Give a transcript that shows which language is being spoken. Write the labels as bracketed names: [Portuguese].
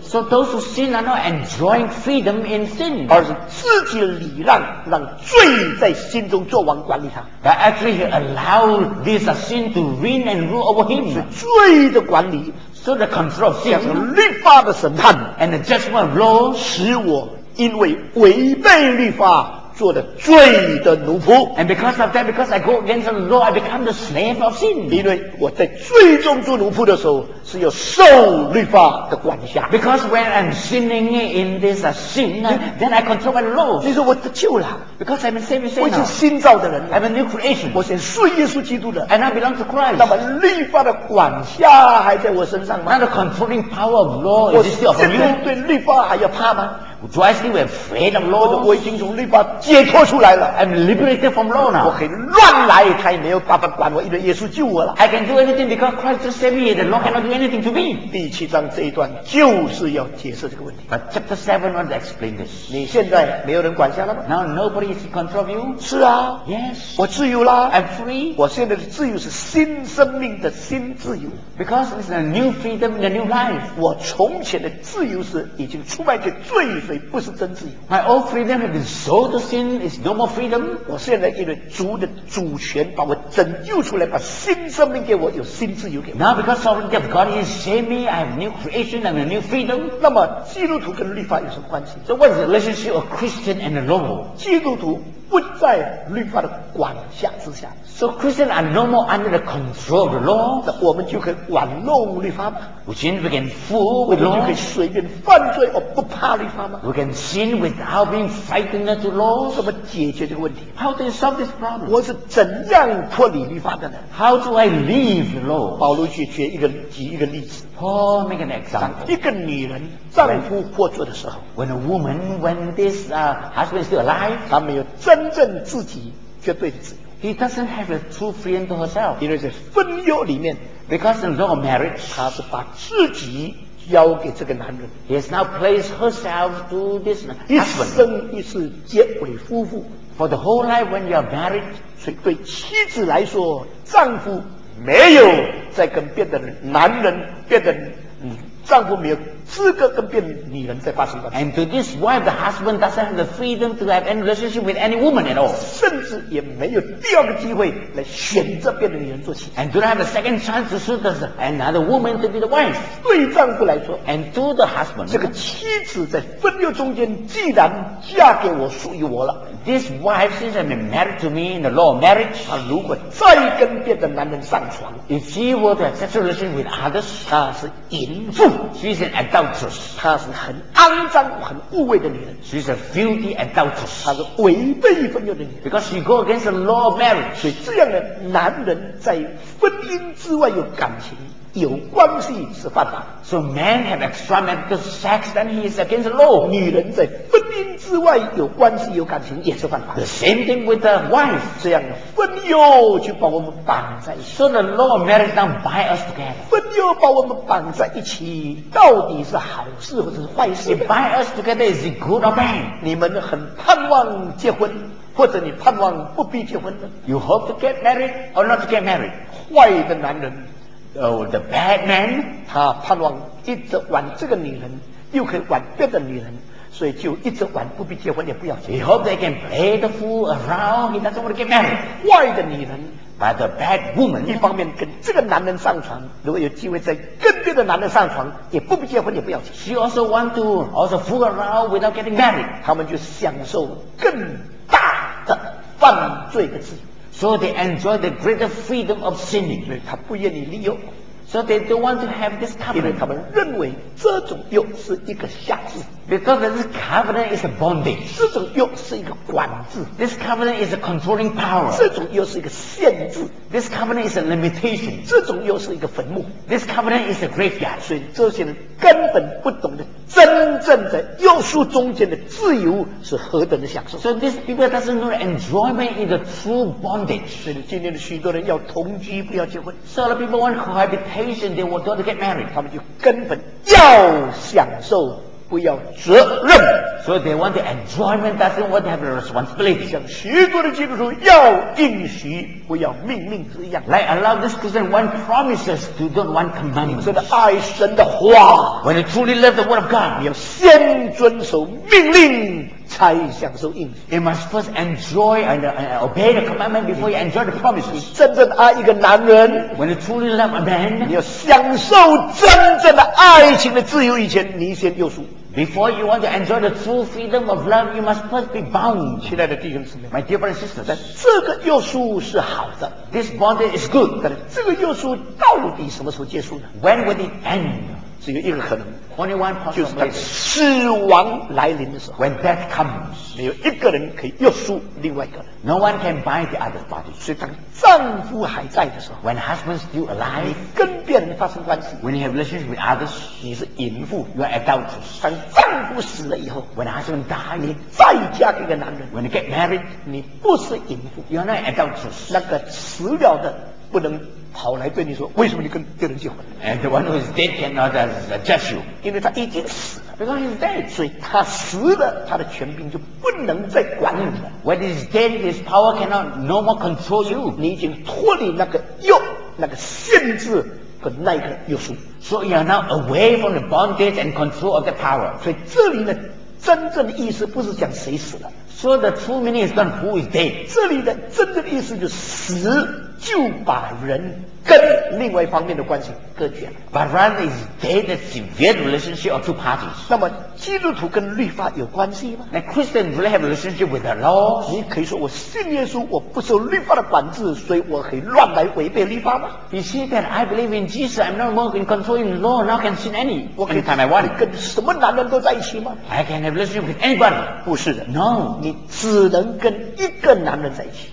[English] So those who sin are not enjoying freedom in sin. [Chinese] 而是自己礼让，让罪在心中做王管理他。 [English] But actually, he allowed this sin to reign and rule over him. [Chinese] 是罪的管理。 [English] So the control of sin, [Chinese] 律法的审判 [English] and the judgment of law, [Chinese] 使我因为违背律法做的罪的奴仆 [English] and because of that, because I go against the law, I become the slave of sin. [Chinese] 因为我在罪中做奴仆的时候，是要受律法的管辖 [English] Because when I'm sinning in this sin, then I control my law. [Chinese] 你说我得救了 [English] because I'm a saved sinner. [Chinese] 我已经新造的人了 [English] I'm a new creation. [Chinese] 我是信耶稣基督的 [English] and I belong to Christ. [Chinese] 那么律法的管辖还在我身上吗 [English] Now the controlling power of law is still upon you. [Chinese] 我现在对律法还要怕吗 [English] Do I still afraid of law? [Chinese] 我已经从律法解脱出来了 [English] I'm liberated from law now. [Chinese] 我可以乱来，他也没有办法管我，因为耶稣救我了 [English] I can do anything because Christ just saved me. The law cannot do anything to me. [Chinese] 第七章这一段就是要解释这个问题 [English] But chapter 7 wants to explain this. [Chinese] 你现在没有人管辖了吗 [English] Now nobody is in control of you. [Chinese] 是啊 [English] Yes. [Chinese] 我自由啦 [English] I'm free. [Chinese] 我现在的自由是新生命的新自由 [English] Because it's a new freedom, a new life. [Chinese] 我从前的自由是已经出卖给罪不是真自由 [English] My old freedom has been sold to sin It's no more freedom [Chinese] 我现在因为主的主权把我拯救出来把新生命给我有新自由给我 [English] Now because sovereignty of God has saved me I have new creation and a new freedom [Chinese] 那么基督徒跟律法有什么关系 [English] So what is the relationship of Christian and the law [Chinese] 基督徒不在律法的管辖之下 [English] So Christians are no more under the control of the law [Chinese] 那我们就可以玩弄律法吗 [English] Which means we can fool with law [Chinese] 我们就可以随便犯罪而不怕律法吗 [English] We can sin without being frightened to law [Chinese] 怎么解决这个问题 [English] How do you solve this problem [Chinese] 我是怎样脱离律法的呢 [English] How do I leave law [Chinese] 保罗去举一个举一个例子 [English] Paul make an example [Chinese] 一个女人丈夫获罪的时候 [English] When a woman when this husband is still alive [Chinese] 她没有真正自己绝对的自由 [English] He doesn't have a true freedom to herself [Chinese] 因为在婚约里面 [English] Because in law of marriage [Chinese] 她是把自己交给这个男人 [English] He has now placed herself to this husband [Chinese] 一生一世结为夫妇 [English] For the whole life when you are married [Chinese] 所以对妻子来说丈夫没有再跟别的男人别的丈夫没有资格跟别的女人在发生关系 [English] And to this wife the husband doesn't have the freedom to have any relationship with any woman at all [Chinese] 甚至也没有第二个机会来选择别的女人做妻 [English] And do not have a second chance to choose another woman to be the wife [Chinese] 对丈夫来说 [English] And to the husband [Chinese] 这个妻子在婚约中间既然嫁给我属于我了 [English] This wife since I've been married to me in the law of marriage [Chinese] 她如果再跟别的男人上床 [English] If she were to have sexual relations with others [Chinese] 她是淫妇 [English] She's an adulterer [Chinese] 她是很肮脏很污秽的女人 [English] She's a filthy adulteress [Chinese] 她是违背婚约的女人 [English] Because she goes against the law of marriage [Chinese] 所以这样的男人在婚姻之外有感情有关系是犯法 [English] So men have extramarital sex then he is against the law [Chinese] 女人在婚姻之外有关系有感情也是犯法 [English] The same thing with the wife [Chinese] 这样婚约就把我们绑在一起 [English] So the law of marriage now bind us together [Chinese] 婚约把我们绑在一起到底是好事或者是坏事 [English] It bind us together is it good or bad [Chinese] 你们很盼望结婚或者你盼望不必结婚 [English] You hope to get married or not to get married [Chinese] 坏的男人 [English] The bad man, [Chinese] 他盼望一直玩这个女人，又可以玩别的女人，所以就一直玩，不必结婚也不要结婚。 [English] He hopes they can play the fool around. He doesn't want to get married. [Chinese] 坏的女人 [English] ，by the bad woman, [Chinese] 一方面跟这个男人上床，如果有机会再跟别的男人上床，也不必结婚也不要结婚。 [English] She also want to also fool around without getting married. [Chinese] 他们就享受更大的犯罪的自由。 [English] So they enjoy the greater freedom of sinning. [Chinese] 对，他不愿意利用。 [English] So they don't want to have this covenant. [Chinese] 因为他们认为这种又是一个瑕疵。 [English] Because this covenant is a bondage. [Chinese] 这种约是一个管制。 [English] This covenant is a controlling power. [Chinese] 这种约是一个限制。 [English] This covenant is a limitation. [Chinese] 这种约是一个坟墓。 [English] This covenant is a graveyard. [Chinese] 所以这些人根本不懂得真正在约束中间的自由是何等的享受。 [English] So these people doesn't know enjoyment in the true bondage. [Chinese] 所以今天的许多人要同居不要结婚。 [English] So the people want cohabitation, they will not get married. [Chinese] 他们就根本要享受。不要责任 [English] so they want the enjoyment doesn't want to have a responsibility [Chinese] 像许多的基督徒要应许不要命令一样 [English] like a lot of this Christian want promises to don't want commandments [Chinese] 你真的爱神的话 [English] when you truly love the word of God [Chinese] 你要先遵守命令才享受应许 [English] you must first enjoy and obey the commandment before you enjoy the promises [Chinese] 你真正爱一个男人 [English] when you truly love a man [Chinese] 你要享受真正的爱情的自由以前你先约束 [English] Before you want to enjoy the true freedom of love, you must first be bound. [Chinese] 亲爱的弟兄姊妹 [English] My dear brothers and sisters, [Chinese] 但这个约束是好的 [English] This bondage is good. [Chinese] 但这个约束到底什么时候结束呢 [English] When will it end? [Chinese] 只有一个可能 [English] Only one possible way. [Chinese] 就是死亡来临的时候 [English] When death comes. [Chinese] 没有一个人可以约束另外一个人 [English] No one can bind the other body. [Chinese] 所以当丈夫还在的时候 [English] When husband's still alive. [Chinese] 跟别人发生关系 [English] When you have relationship with others. [Chinese] 你是淫妇 [English] You are adulterous. [Chinese] 当丈夫死了以后 [English] When husband dies. [Chinese] 你再嫁给一个男人 [English] When you get married. [Chinese] 你不是淫妇 [English] You are not adulterous. [Chinese] 那个死了的不能跑来对你说为什么你跟别人结婚 [English] and the one who is dead cannot judge you [Chinese] 因为他已经死了 [English] because he is dead [Chinese] 所以他死了他的权柄就不能再管你了 [English] when he is dead his power cannot no more control you [Chinese] 你已经脱离那个约那个限制和那个约束 [English] so you are now away from the bondage and control of the power [Chinese] 所以这里的真正的意思不是讲谁死了 [English] so the true meaning is not who is dead [Chinese] 这里的真正的意思就是死就把人跟另外一方面的关系隔绝了。 [English] But rather is dead a severe relationship of two parties. [Chinese] 那么基督徒跟律法有关系吗 [English] ？Now Christian really have a relationship with the law. [Chinese] 你可以说我信耶稣，我不受律法的管制，所以我可以乱来违背律法吗 [English] ？You see that I believe in Jesus. I'm no more in control in law. Now I can sin any anytime I want. [Chinese] 我跟什么男人都在一起吗 [English] ？I can have relationship with anybody. [Chinese] 不是的 [English] ，No. [Chinese] 你只能跟一个男人在一起。